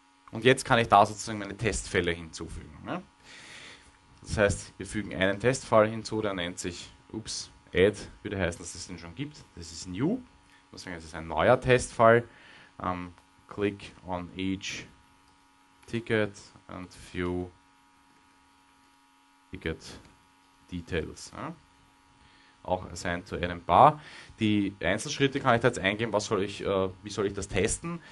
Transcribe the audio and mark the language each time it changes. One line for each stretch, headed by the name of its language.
German: Und jetzt kann ich da sozusagen meine Testfälle hinzufügen. Ne? Das heißt, wir fügen einen Testfall hinzu, der nennt sich, ups, Add, würde heißen, dass es den schon gibt, das ist New, deswegen ist es ein neuer Testfall.
English: Click on each ticket and view ticket details. Ja.
German: Auch assigned to Adam Bar. Die Einzelschritte kann ich da jetzt eingeben, wie soll ich das testen?